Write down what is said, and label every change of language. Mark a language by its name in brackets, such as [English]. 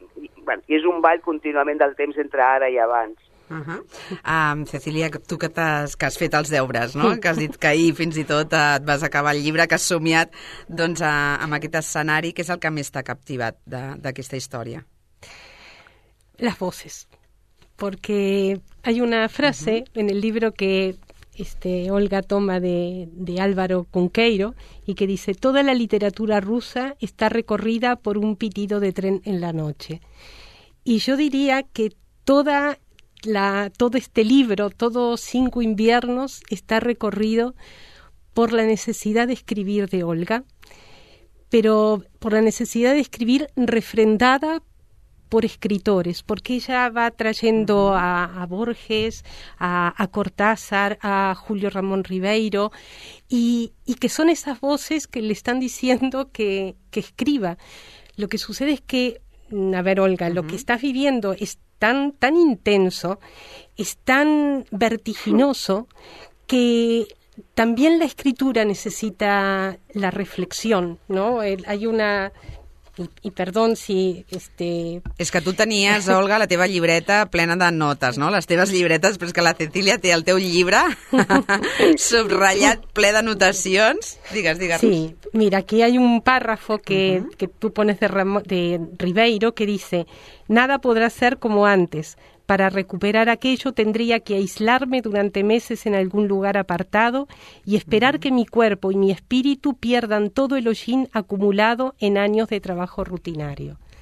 [Catalan] I, bueno, i és un ball contínuament del temps entre ara i abans. Uh-huh. Cecília, tu que has fet els deures, no? Que has dit que ahir fins i tot et vas acabar el llibre, que has somiat doncs, amb aquest escenari, que és el que més t'ha captivat d'aquesta història? [Spanish] Les voces. Porque hay una frase en el libro que Olga toma de Álvaro Cunqueiro y que dice: toda la literatura rusa está recorrida por un pitido de tren en la noche. Y yo diría que todo este libro, todo Cinco Inviernos, está recorrido por la necesidad de escribir de Olga, pero por la necesidad de escribir refrendada por escritores, porque ella va trayendo a Borges, a Cortázar, a Julio Ramón Ribeiro, y que son esas voces que le están diciendo que escriba. Lo que sucede es que, a ver, Olga, lo que estás viviendo es tan intenso, es tan vertiginoso, que también la escritura necesita la reflexión, ¿no? Hay una... I perdón si... [Catalan] És que tu tenies, Olga, la teva llibreta plena de notes, no? Les teves llibretes, però és que la Cecília té el teu llibre subratllat, ple de notacions. Digues. [Spanish] Sí, mira, aquí hay un párrafo que tú pones de Ribeiro que dice: nada podrá ser como antes. Para recuperar aquello tendría que aislarme durante meses en algún lugar apartado y esperar que mi cuerpo y mi espíritu pierdan todo el hollín acumulado en años de trabajo rutinario.